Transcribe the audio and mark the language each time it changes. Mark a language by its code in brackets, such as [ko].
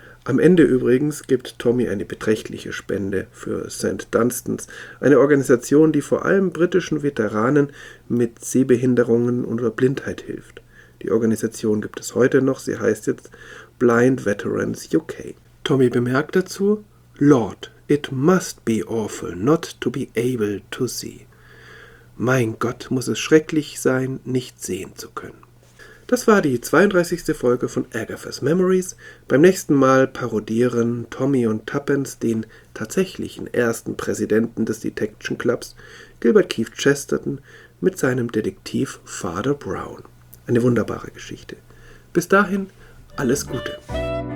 [de] Am Ende übrigens gibt Tommy eine beträchtliche Spende für St. Dunstan's, eine Organisation, die vor allem britischen Veteranen mit Sehbehinderungen oder Blindheit hilft. Die Organisation gibt es heute noch, sie heißt jetzt Blind Veterans UK. Tommy bemerkt dazu, [en] Lord, it must be awful not to be able to see. [de] Mein Gott, muss es schrecklich sein, nicht sehen zu können. Das war die 32. Folge von Agatha's Memories. Beim nächsten Mal parodieren Tommy und Tubbins den tatsächlichen ersten Präsidenten des Detection Clubs, Gilbert Keith Chesterton, mit seinem Detektiv Father Brown. Eine wunderbare Geschichte. Bis dahin, alles Gute.